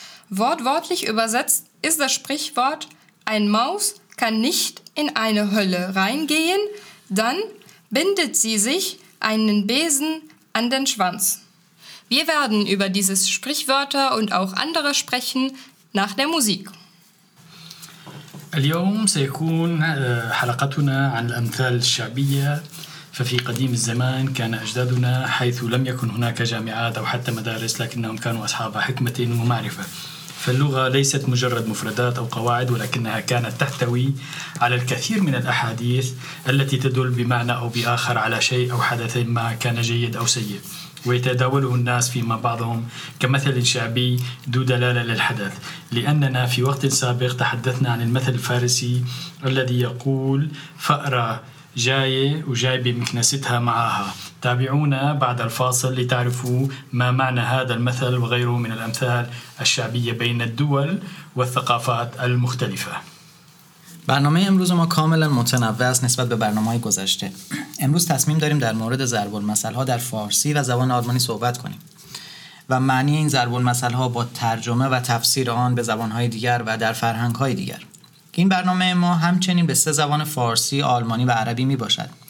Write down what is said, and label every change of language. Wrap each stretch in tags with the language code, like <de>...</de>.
<de>Wortwörtlich übersetzt ist das Sprichwort: Ein Maus kann nicht in eine Hölle reingehen, dann bindet sie sich einen Besen an den Schwanz. Wir werden über dieses Sprichwörter und auch andere sprechen nach der Musik.</de> <ar>اليوم سيكون حلقتنا عن الأمثال الشعبية. ففي قديم الزمان كان أجدادنا حيث لم يكن هناك جامعات أو حتى مدارس لكنهم كانوا أصحاب حكمة ومعرفة. فاللغة ليست مجرد مفردات أو قواعد ولكنها كانت تحتوي على الكثير من الأحاديث التي تدل بمعنى أو بآخر على شيء أو حدث ما كان جيد أو سيء ويتداوله الناس فيما بعضهم كمثل شعبي ذو دلالة للحدث لأننا في وقت سابق تحدثنا عن المثل الفارسي الذي يقول فأرى جاية وجاي بمكنستها معها تابعونا بعد الفاصل لتعرفوا ما معنى هذا المثل وغيره من الأمثال الشعبية بين الدول والثقافات المختلفة.</ar> <fa>برنامه امروز ما کاملا متنوع است نسبت به برنامه‌های گذشته. امروز تصمیم داریم در مورد ضرب المثل‌ها در فارسی و زبان آلمانی صحبت کنیم و معنی این ضرب المثل‌ها با ترجمه و تفسیر آن به زبان‌های دیگر و در فرهنگ‌های دیگر. این برنامه ما همچنین به سه زبان فارسی، آلمانی و عربی می باشد.</fa>